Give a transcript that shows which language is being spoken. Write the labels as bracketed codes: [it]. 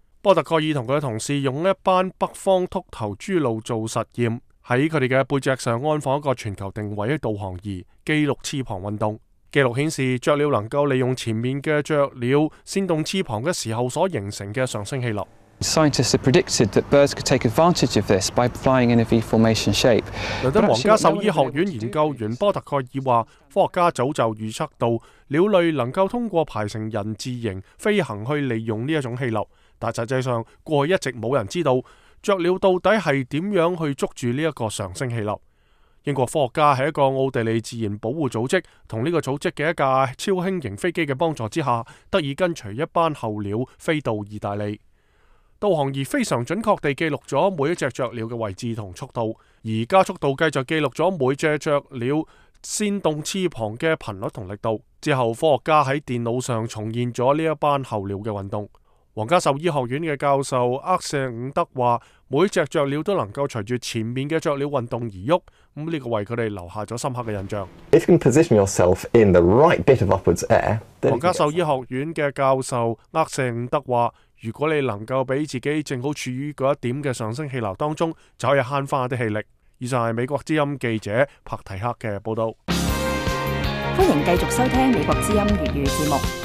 [yue] 波特盖尔和他的同事用一班北方秃头猪鹿做实验，在他们的背脊上安放一个全球定位的导航仪，记录翅膀运动。记录显示，雀鸟能够利用前面的雀鸟扇动翅膀的时候所形成的上升气流。 [en] Scientists have predicted that birds could take advantage of this by flying in a V formation shape. [yue] 伦敦皇家兽医学院研究员波特盖尔话，科学家早就预测到鸟类能够通过排成人字形飞行去利用这种气流，但实际上过去一直没人知道雀鸟到底是怎样去捉住这个上升气流。英国科学家在一个奥地利自然保护组织和这个组织的一架超轻型飞机的帮助之下，得以跟随一班候鸟飞到意大利。导航仪非常准确地记录了每一只雀鸟的位置和速度，而加速度继续记录了每只雀鸟扇动翅膀的频率和力度。之后科学家在电脑上重现了这一班候鸟的运动。皇家兽医学院的教授厄舍伍德说，每只雀鸟都能够随着前面的雀鸟运动而动，这个为他们留下了深刻的印象。 [en] If you can position yourself in the right bit of upwards air, [yue] 皇家兽医学院的教授厄舍伍德说，如果你能够让自己正好处于那一点的上升气流当中，就可以悭回一些气力。以上是美国之音记者帕提克的报道。欢迎继续收听美国之音粤语节目。